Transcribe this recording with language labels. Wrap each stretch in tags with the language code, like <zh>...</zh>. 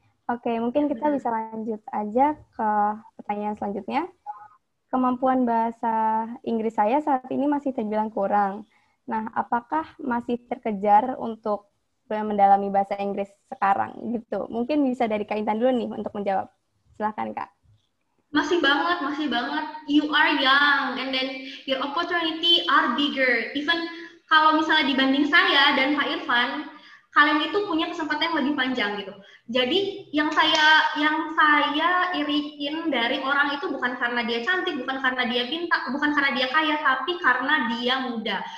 <id>Oke, mungkin kita bisa lanjut aja ke pertanyaan selanjutnya. Kemampuan bahasa Inggris saya saat ini masih terbilang kurang. Nah, apakah masih terkejar untuk mendalami bahasa Inggris sekarang gitu? Mungkin bisa dari Kak Intan dulu nih untuk menjawab. Silakan Kak. Masih banget.</id> <en>You are young and then your opportunity are bigger.</en> <id>Even kalau misalnya dibanding saya dan Pak Irfan, kalian itu punya kesempatan yang lebih panjang gitu. Jadi yang saya iriin dari orang itu bukan karena dia cantik, bukan karena dia pintar, bukan karena dia kaya, tapi karena dia muda.</id>